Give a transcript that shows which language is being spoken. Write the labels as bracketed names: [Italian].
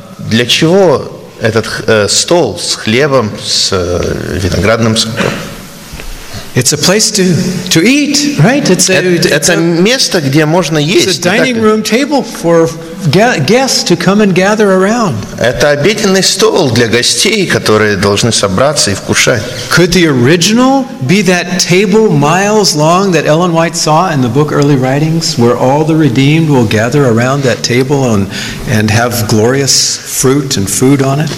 [Russian] Для чего этот стол с хлебом, с виноградным соком? [English] It's a place to eat, right? [Russian] Это место, где можно есть. [English] It's a dining room table for guests to come and gather around. [Russian] Это обеденный стол для гостей, которые должны собраться и вкушать. [English] Could the original be that table miles long that Ellen White saw in the book Early Writings, where all the redeemed will gather around that table and have glorious fruit and food on it?